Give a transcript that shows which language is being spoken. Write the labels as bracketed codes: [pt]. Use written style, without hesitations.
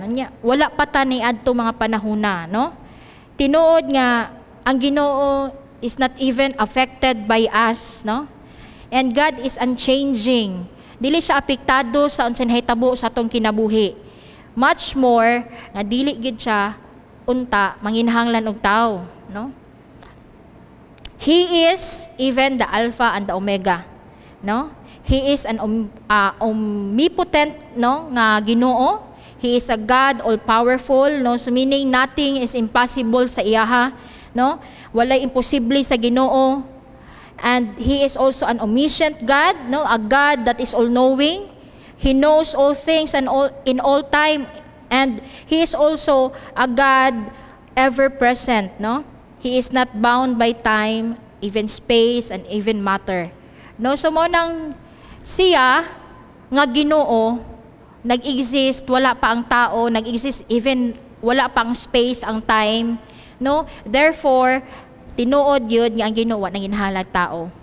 [ceb] Nya wala pa ta ni adto mga panahuna, no? Tinuod nga ang Ginoo [en] is not even affected by us, [ceb] no? [en] And God is unchanging. [ceb] Dili siya apektado sa unsan hitabo sa atong kinabuhi. Much more nga dili gid siya unta manginhanglan og tawo, no? [en] He is even the Alpha and the Omega, no? He is an omnipotent, no, nga Ginoo. He is a God all powerful, no? So meaning nothing is impossible sa iyaha, no? [ceb] Walay imposible sa Ginoo. [en] And He is also an omniscient God, no? A God that is all-knowing. He knows all things and all in all time. And He is also a God ever-present, no? He is not bound by time, even space, and even matter. [ceb] No, so mo nang siya nga Ginoo, nag-exist, wala pa ang tao, nag-exist even wala pa ang space, ang time. No, therefore, tinuod yun nga ang Ginoo ng inhalang tao.